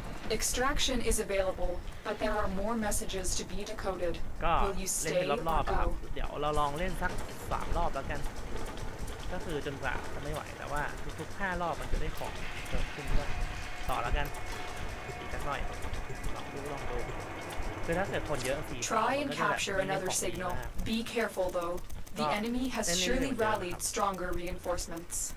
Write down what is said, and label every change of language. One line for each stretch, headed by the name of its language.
English: Extraction is available, but there are more messages to be decoded. Will you stay or go?
Thai: ครับเดี๋ยวเราลองเล่นสัก3รอบแล้วกันก็คือจนกว่าจะไม่ไหวแต่ว่าทุกๆ5รอบมันจะได้ของเพิ่มขึ้นด้วยต่อแล้วกันอีกสักหน่อยลองดูคือถ้าเกิดคนเยอะสี
English: Try and capture another signal. Be careful though. The enemy has surely rallied stronger reinforcements.